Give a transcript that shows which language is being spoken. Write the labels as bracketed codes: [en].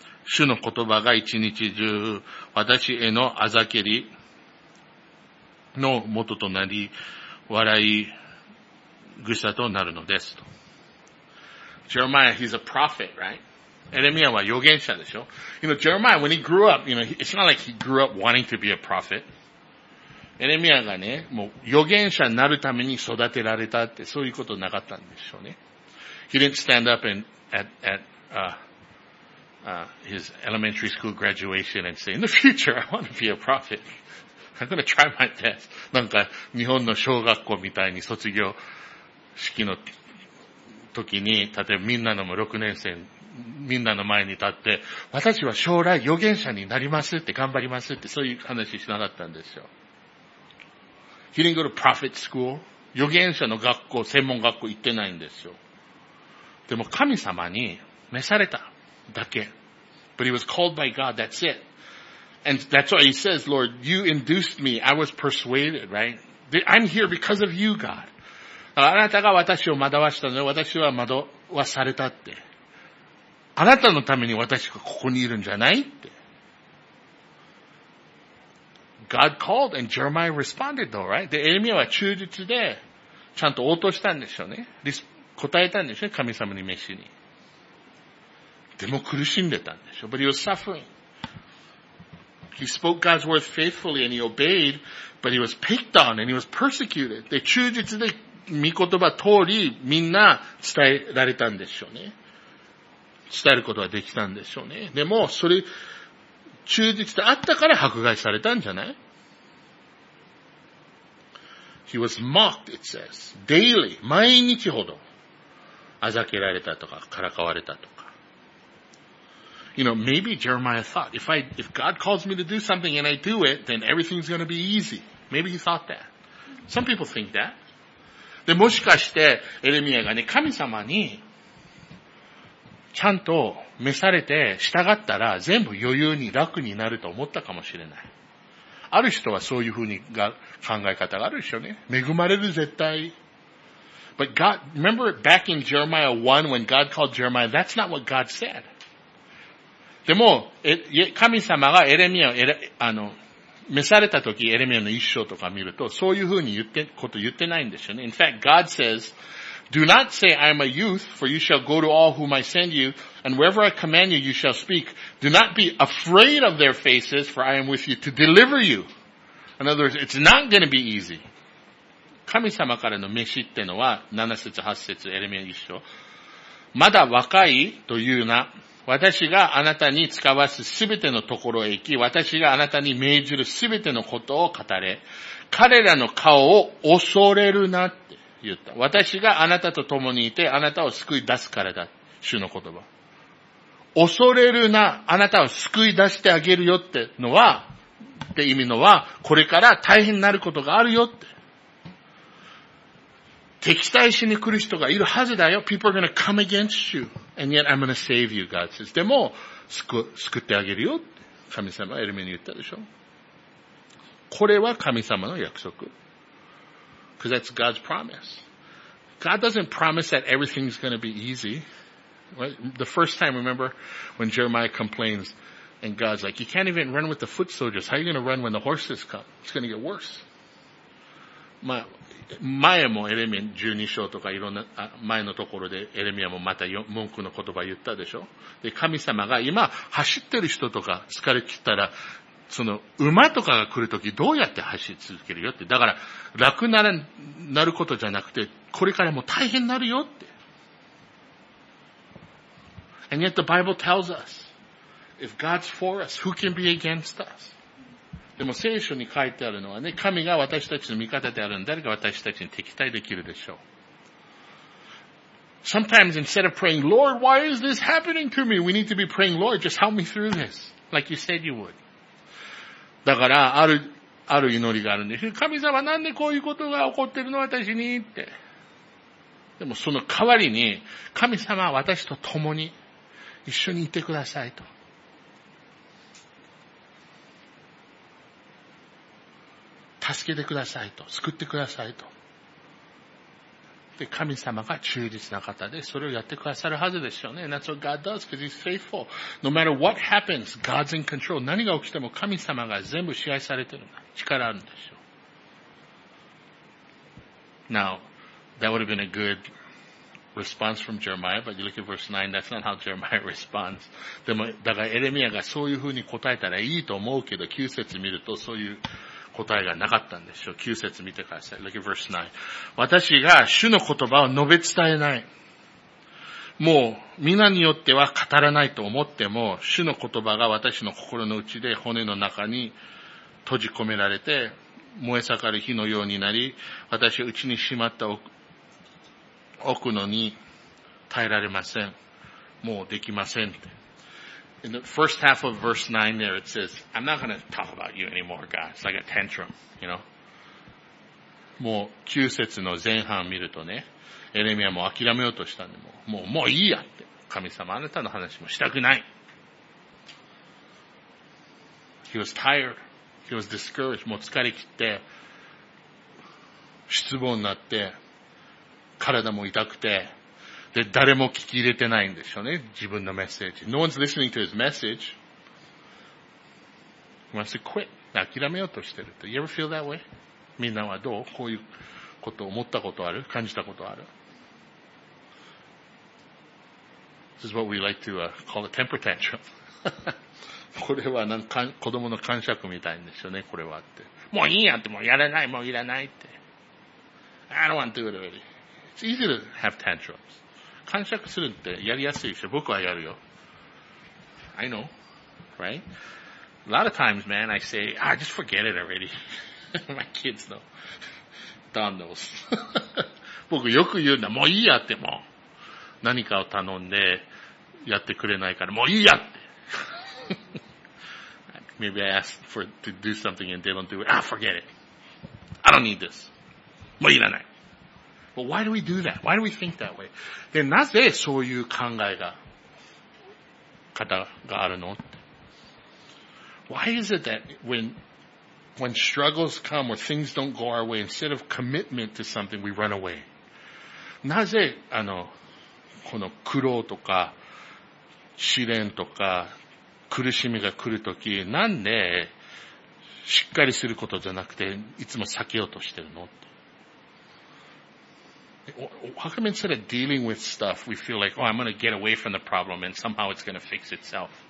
[ja] 主の言葉が一日中、私へのあざけりの元となり、笑いぐさとなるのですと。 [en] Jeremiah, he's a prophet, right? [ja] エレミアは預言者でしょ。 [en] You know, Jeremiah, when he grew up, you know, it's not like he grew up wanting to be a prophet. [ja] エレミアがね、もう預言者になるために育てられたって、そういうことなかったんでしょうね。 [en] He didn't stand up and at his elementary school graduation and say, in the future, I want to be a prophet. I'm gonna try my best. [ja] なんか日本の小学校みたいに卒業式の時に、例えばみんなのも6年生みんなの前に立って、私は将来預言者になりますって頑張りますってそういう話しなかったんですよ。 [en] He didn't go to prophet school. [ja] 預言者の学校、専門学校行ってないんですよ。でも神様に召されただけ。 [en] But he was called by God, that's it. And that's why he says, Lord, you induced me. I was persuaded, right? I'm here because of you, God. [ja] あなたが私を惑わしたので、私は惑わされたって。あなたのために私がここにいるんじゃないって。 [en] God called and Jeremiah responded though, right? [ja] で、エレミアは忠実で、ちゃんと応答したんでしょうね。答えたんでしょうね、神様に召しに。でも苦しんでたんでしょう。 [en] But he was suffering. He spoke God's word faithfully and he obeyed, but he was picked on and he was persecuted. [ja] で、忠実で御言葉通りみんな伝えられたんでしょうね。伝えることができたんでしょうね。でも、それ、忠実であったから迫害されたんじゃない [en] ?He was mocked, it says, daily, [ja] 毎日ほど、あざけられたとか、からかわれたとか。 [en] You know, maybe Jeremiah thought, if God calls me to do something and I do it, then everything's going to be easy. Maybe he thought that. Some people think that. [ja] で、もしかして、エレミアがね、神様に、ちゃんと召されて従ったら、全部余裕に楽になると思ったかもしれない。ある人はそういうふうに考え方があるでしょうね。恵まれる絶対。 [en] But God, remember back in Jeremiah 1 when God called Jeremiah, that's not what God said. [ja] でも、神様がエレミアを、召された時、エレミアの一生とか見ると、そういうふうに言って、こと言ってないんですよね。 [en] In fact, God says, Do not say, I am a youth, for you shall go to all whom I send you, and wherever I command you, you shall speak. Do not be afraid of their faces, for I am with you to deliver you. In other words, it's not going to be easy. [ja] 神様からの召しってのは、7節8節エレミア一章。まだ若いというな、私があなたに使わすすべてのところへ行き、私があなたに命じるすべてのことを語れ、彼らの顔を恐れるなって言った。私があなたと共にいて、あなたを救い出すからだ。主の言葉。恐れるな、あなたを救い出してあげるよってのは、って意味のは、これから大変になることがあるよって。敵対しに来る人がいるはずだよ。 [en] People are gonna come against you. And yet I'm gonna save you, God says. [ja] でも、救ってあげるよ。神様はエレミアに言ったでしょ。これは神様の約束。 [en] Because that's God's promise. God doesn't promise that everything's gonna be easy. The first time, remember, when Jeremiah complains, and God's like, you can't even run with the foot soldiers. How are you gonna run when the horses come? It's gonna get worse. [ja] 前もエレミア12章とかいろんな前のところでエレミアもまた文句の言葉言ったでしょ。で、神様が今走ってる人とか疲れ切ったら、その馬とかが来るときどうやって走り続けるよって。だから楽なることじゃなくて、これからも大変になるよって。 [en] And yet the Bible tells us, if God's for us, who can be against us? [ja] でも聖書に書いてあるのはね、神が私たちの味方であるので、誰が私たちに敵対できるでしょう。 [en] Sometimes instead of praying, Lord, why is this happening to me? We need to be praying, Lord, just help me through this. Like you said you would. [ja] だから、ある祈りがあるんです。神様、なんでこういうことが起こってるの私にって。でもその代わりに、神様は私と共に一緒にいてくださいと。助けてくださいと、救ってくださいと。で、神様が忠実な方で、それをやってくださるはずですよね。 [en] That's what God does, because He's faithful. No matter what happens, God's in control. [ja] 何が起きても神様が全部支配されてるんだ。力あるんでしょう。 [en] Now, that would have been a good response from Jeremiah, but you look at verse 9, that's not how Jeremiah responds. [ja] でも、だからエレミアがそういう風に答えたらいいと思うけど、9節見るとそういう、答えがなかったんでしょう。 9節見てください。 [en] Look at verse 9. [ja] 私が主の言葉を述べ伝えない。もう、皆によっては語らないと思っても、主の言葉が私の心の内で骨の中に閉じ込められて、燃え盛る火のようになり、私は内にしまった奥のに耐えられません。もうできません。 [en] In the first half of verse 9 there, it says, I'm not going to talk about you anymore, God. It's like a tantrum, you know. [ja] もう9節の前半見るとね、エレミアも諦めようとしたんで、もういいやって。神様、あなたの話もしたくない。 [en] He was tired. He was discouraged. [ja] もう疲れ切って、失望になって、体も痛くて、で、誰も聞き入れてないんでしょうね。自分のメッセージ。 [en] No one's listening to his message. He wants to quit. [ja] 諦めようとしてる。 [en] You ever feel that way? [ja] みんなはどう? こういうことを思ったことある? 感じたことある? [en] This is what we like to call a temper tantrum. [ja] これはなんか子供の感触みたいんでしょうね。これはって。もういいやって。もうやらない。もういらないって。 [en] I don't want to do it already. It's easy to have tantrums. [ja] 感触するってやりやすいし、僕はやるよ。 [en] I know, right? A lot of times, man, I say, ah, just forget it already. My kids know. Don knows. [ja] 僕よく言うんだ、もういいやってもう。何かを頼んでやってくれないから、もういいやって。 [en] Maybe I ask for to do something and they don't do it. Ah, forget it. I don't need this. [ja] もういらない。 [en] But why do we do that? Why do we think that way? [ja] で、なぜそういう考えが、方があるの? [en] Why is it that when struggles come or things don't go our way, instead of commitment to something, we run away? [ja] なぜ、この苦労とか、試練とか、苦しみが来るとき、なんで、しっかりすることじゃなくて、いつも避けようとしてるの? [en] How come instead of dealing with stuff, we feel like, oh, I'm going to get away from the problem and somehow it's going to fix itself?